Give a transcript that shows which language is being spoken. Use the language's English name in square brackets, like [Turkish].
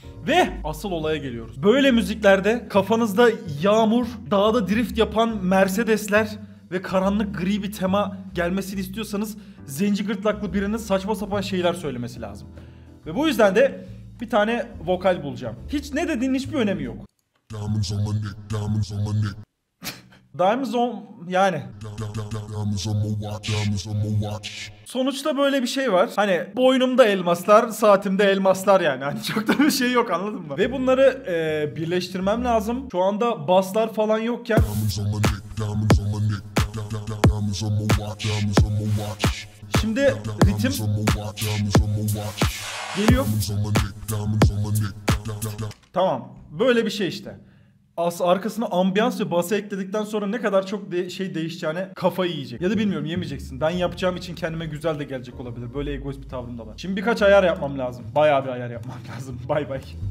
[Turkish] Ve asıl olaya geliyoruz. Böyle müziklerde kafanızda yağmur, dağda drift yapan Mercedesler ve karanlık gri bir tema gelmesini istiyorsanız zenci gırtlaklı birinin saçma sapan şeyler söylemesi lazım. Ve bu yüzden de bir tane vokal bulacağım. Hiç ne dediğinin hiçbir önemi yok. [English] Diamonds on my neck, diamonds on my neck. Diamonds on yani. Diamonds on my watch, diamonds on my watch. [Turkish] Sonuçta böyle bir şey var. Hani boynumda elmaslar, saatimde elmaslar yani. Hani çok da bir şey yok anladın mı? Ve bunları birleştirmem lazım. Şu anda basslar falan yokken. [English] Diamonds on my neck, diamonds on my neck. Diamonds on my watch, diamonds on my watch. [Turkish] Şimdi ritim geliyor. [English] Diamonds on my neck, diamonds on my neck. [Turkish] Tamam. Böyle bir şey işte. Arkasına ambiyans ve bası ekledikten sonra ne kadar çok şey değişeceğine kafayı yiyecek. Ya da bilmiyorum yemeyeceksin. Ben yapacağım için kendime güzel de gelecek olabilir. Böyle egoist bir tavrım da var. Şimdi birkaç ayar yapmam lazım. Bayağı bir ayar yapmam lazım. Bay bay.